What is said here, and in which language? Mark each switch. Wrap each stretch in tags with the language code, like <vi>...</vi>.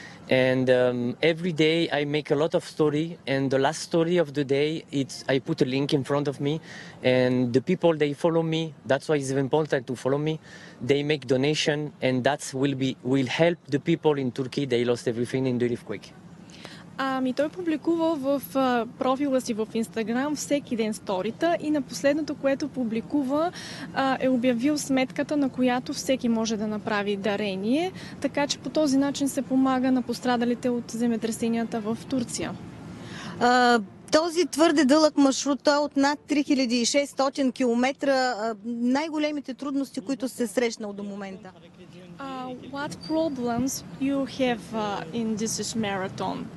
<en>And every day I make a lot of story, and the last story of the day, it's I put a link in front of me, and the people, they follow me. That's why it's important to follow me. They make donation, and that will help the people in Turkey. They lost everything in the earthquake.</en> <bg>Ами той публикува в профила си в Инстаграм всеки ден сторита и на последното, което публикува, е обявил сметката, на която всеки може да направи дарение, така че по този начин се помага на пострадалите от земетресенията в Турция. Този твърде дълъг маршрут от над 3600 км, най-големите трудности, които се срещнал до момента.</bg> <en>What problems you have in this marathon?</en>